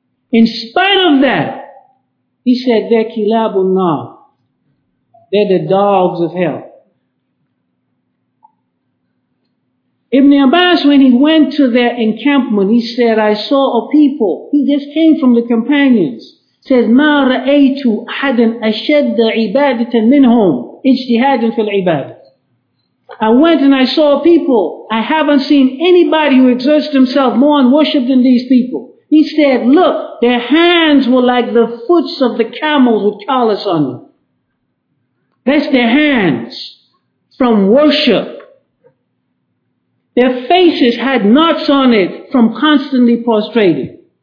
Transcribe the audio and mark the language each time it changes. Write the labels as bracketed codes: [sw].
[en] In spite of that, he said, they're kilabunah. They're the dogs of hell. Ibn Abbas, when he went to their encampment, he said, I saw a people. He just came from the companions. [ar] Says, ما رأيت أحدا أشد عبادة منهم اجتهادا في العبادة. [en] I went and I saw people. I haven't seen anybody who exerts himself more in worship than these people. He said, look, their hands were like the foots of the camels with callus on them. That's their hands from worship. Their faces had knots on it from constantly prostrating.